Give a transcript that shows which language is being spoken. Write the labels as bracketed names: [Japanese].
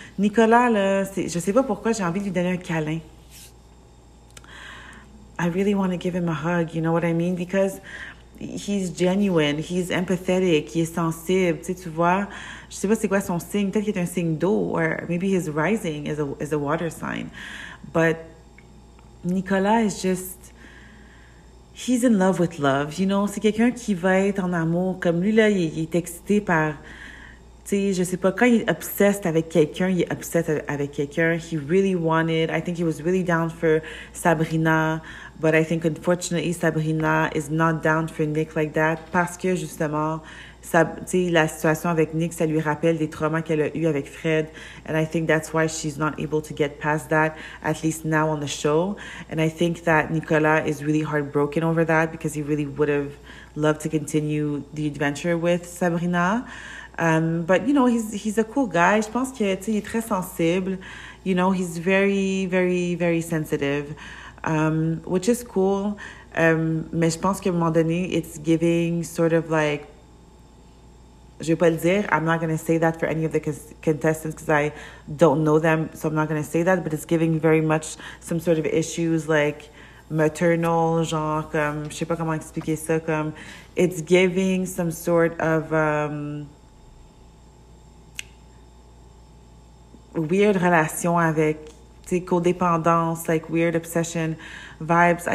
[French] Nicolas, là, je sais pas pourquoi, j'ai envie de lui donner un câlin. [English] I really want to give him a hug, you know what I mean? Because he's genuine, he's empathetic, he is sensible, tu sais, tu vois. [French] Je sais pas c'est quoi son signe, peut-être qu'il est un signe d'eau, [English] or maybe his rising is a water sign. But Nicolas is just, he's in love with love, you know. [French] C'est quelqu'un qui va être en amour, comme lui là, il est excité par, tu sais, je sais pas, quand il est obsessed avec quelqu'un, il est obsessed avec quelqu'un. [English] He really wanted, I think he was really down for Sabrina. But I think, unfortunately, Sabrina is not down for Nick like that parce que, justement, sa, t'sais, la situation avec Nick, ça lui rappelle des traumas qu'elle a eus avec Fred. And I think that's why she's not able to get past that, at least now on the show. And I think that Nicolas is really heartbroken over that because he really would have loved to continue the adventure with Sabrina. But, you know, he's a cool guy. [French] Je pense que, t'sais, il est très sensible. [English] You know, he's very, very, very sensitive. Which is cool, [French] mais je pense qu'à un moment donné, [English] it's giving sort of like, [French] je vais pas le dire, [English] I'm not gonna say that for any of the contestants because I don't know them, so I'm not gonna say that, but it's giving very much some sort of issues like maternal, [French] genre, comme, je sais pas comment expliquer ça, comme, [English] it's giving some sort of weird relation [French] avec, t'sais, codépendance, [English] like weird obsession vibes.